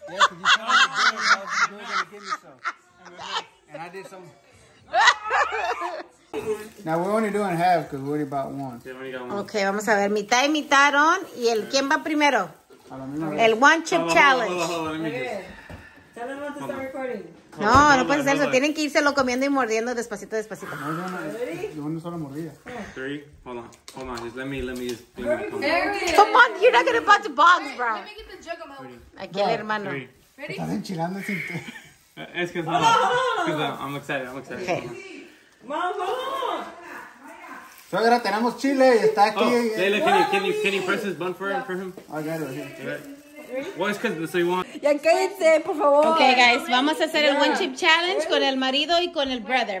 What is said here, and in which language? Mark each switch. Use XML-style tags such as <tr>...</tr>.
<en>Yeah, because you told me to do it, I was going to give myself. And I did some. Now we're only doing half because we already bought one.</en> <es>Okay, vamos a ver, mitad y mitad, Aarón. ¿Y el quién va primero? El one chip challenge.</es> <en>Hold on.</en> <es>Okay. No, no puede ser eso. Tienen que írselo comiendo y mordiendo despacito, despacito. No, no, no. No, solo mordida.</es> <en>Hold on. Just let me. Come on, you're not gonna bunch the box, bro. Let me get the jug of milk.</en> <es>Aquí el hermano.</es> <en>Ready?</en> <es>Están enchilando sin té. Es que es malo.</es> <en>I'm excited. Okay. Mom, hold on.</en> <es>Suegra, tenemos chile. Está aquí.</es> <en>Oh, Leila, can you press his bun for him? I got it. Okay. Well, it's because you want.</en> <es>Ya cállense, por favor.</es> <en>Okay, guys,</en> <es>vamos a hacer el one chip challenge con el marido y con el brother.</es>